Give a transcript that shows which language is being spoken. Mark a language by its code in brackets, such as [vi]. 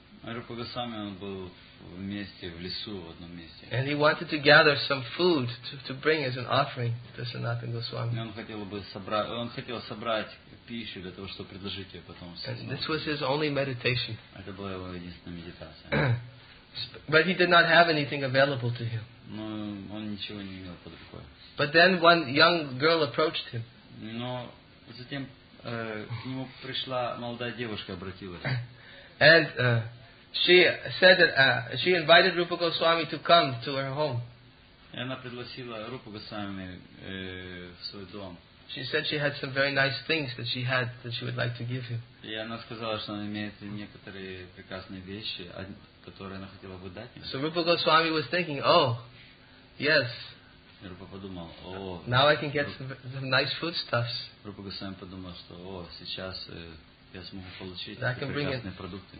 [ru] Рупа Госвами, он был вместе в лесу, в одном месте. [en] And he wanted to gather some food to bring as an offering to Sanatan Goswami. [ru] Он хотел собрать пищу для того, чтобы предложить ее потом. [en] This was his only meditation. [ru] Это была его единственная медитация. [en] But he did not have anything available to him. [ru] Но он ничего не имел под рукой. [en] But then one young girl approached him. [ru] Но затем к нему пришла молодая девушка, обратилась. [en] And she said that she invited Rupa Goswami to come to her home. [ru] И она пригласила Рупу Госвами в свой дом. [en] She said she had some very nice things that she had that she would like to give him. [ru] И она сказала, что она имеет некоторые прекрасные вещи, которые она хотела бы дать ему. [en] So Rupa Goswami was thinking, oh, yes. [ru] Рупа подумал, о. [en] Now I can get some nice foodstuffs. [ru] Рупа Госвами подумал, что, о, сейчас я смогу получить прекрасные продукты.